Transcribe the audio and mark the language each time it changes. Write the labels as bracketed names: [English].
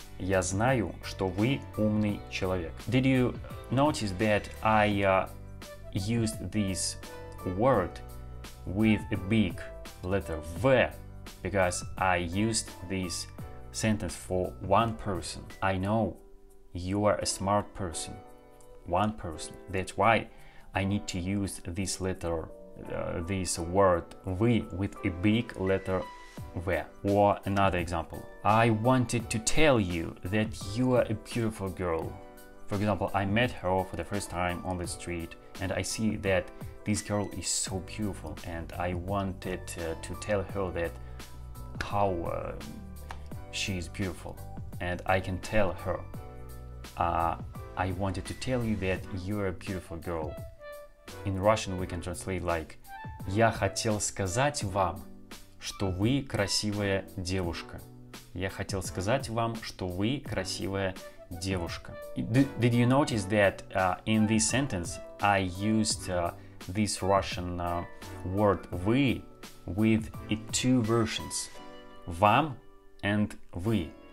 [Russian] Я знаю, что вы умный человек. [English] Did you notice that I used this word with a big letter V? Because I used this sentence for one person. I know you are a smart person. One person. That's why I need to use this letter this word вы with a big letter V. Or another example. I wanted to tell you that you are a beautiful girl. For example, I met her for the first time on the street and I see that this girl is so beautiful, and I wanted to tell her that how she is beautiful, and I can tell her I wanted to tell you that you are a beautiful girl. In Russian we can translate like [Russian] Я хотел сказать вам, что вы красивая девушка. Я хотел сказать вам, что вы красивая девушка. [English] Did you notice that in this sentence I used this Russian word вы with two versions, вам and вы.